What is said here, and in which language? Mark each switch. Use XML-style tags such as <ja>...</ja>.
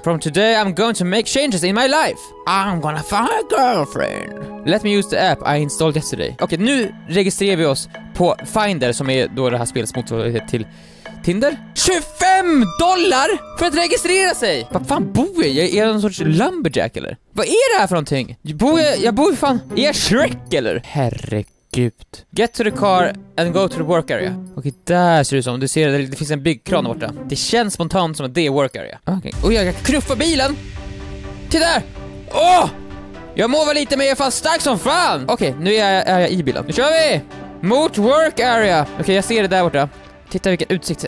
<en>From today I'm going to make changes in my life. I'm gonna find a girlfriend. Let me use the app I installed yesterday.</en> <sv>Okej, okay, nu registrerar vi oss på Finder, som är då det här spelets motsvarighet till Tinder. $25 för att registrera sig. Vad fan bor jag? Jag är någon sorts lumberjack eller? Vad är det här för någonting? Jag bor fan i Shrek eller? Herregud.</sv> <en>Get to the car and go to the work area.</en> <sv>Okej, där ser det ut som. Du ser det finns en byggkran borta. Det känns spontant som att det är work area. Okej. Och jag knuffar bilen. Titta där. Åh! Jag mår lite, men jag är fan stark som fan. Okej, nu är jag i bilen. Nu kör vi mot work area. Okej, jag ser det där borta. Titta vilken utsikt.</sv>